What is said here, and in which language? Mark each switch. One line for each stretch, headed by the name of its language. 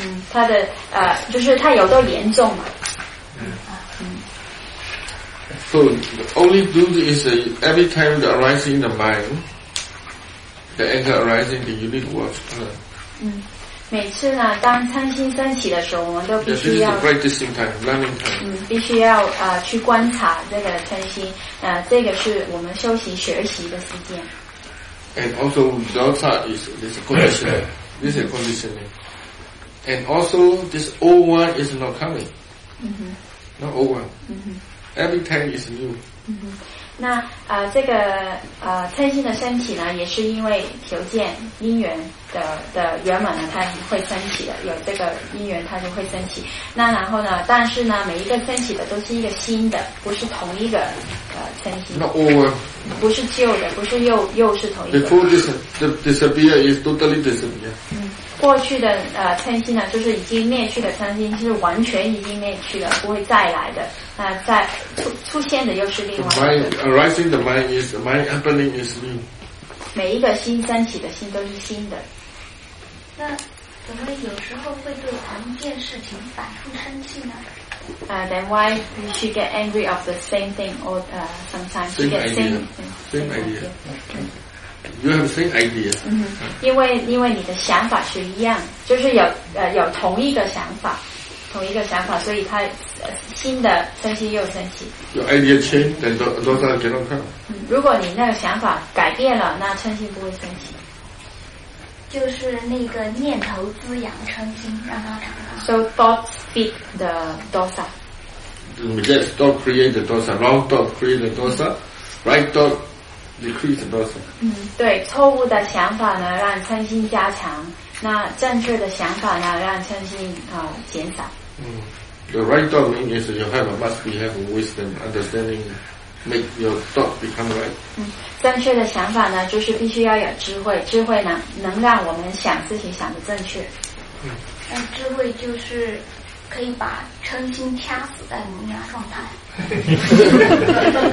Chinese: 它的就是它有多严重嘛？
English: So the only duty is every time the arising in the mind, the anger arising, then you need to watch.
Chinese: 每次呢，当嗔心升起的时候，我们都必须要。
English: Yes, this is a practicing time, learning time.
Chinese: 必须要去观察这个嗔心，这个是我们修行学习的时间。
English: And also, dosa is this condition. This is conditioning. And also, this old one is not coming. Not old one. Every time is new.
Chinese: 那这个嗔心的升起呢，也是因为条件因缘的圆满呢，它会升起的。有这个因缘，它就会升起。那然后呢，但是呢，每一个升起的都是一个新的，不是同一个嗔心。
English: Not over.
Chinese: 不是旧的，不是又是同一个。
English: Before this, the disappear is totally disappear.
Chinese: 过去的嗔心呢，就是已经灭去的嗔心，就是完全已经灭去了，不会再来的。在出现的又是另外一个。
English: Mind arising, the mind is mind happening is new.
Chinese: 每一个新升起的心都是新的。那我们有时候会对同一件事情反复生气呢？
English: Then why we should get angry of the same thing or sometimes same get same idea. You have the same idea.
Chinese: 因为你的想法是一样，就是有同一个想法。同一个想法，所以他新的生气又生气。
English: Your idea change, then dosa cannot come.
Chinese: 如果你那个想法改变了，那生气不会生气。就是那个念头滋养生气，让它长大。
English: So thoughts feed the dosa. Yes, thought create the dosa. Wrong thought create the dosa. Right thought decrease the dosa.
Chinese: 对，错误的想法呢，让生气加强。那正确的想法呢，让嗔心减少。
English: The right thought means you have must be have wisdom, understanding, make your thought become right.
Chinese: 正确的想法呢，就是必须要有智慧，智慧呢能让我们想自己想的正确。智慧就是可以把嗔心掐死在萌芽状态。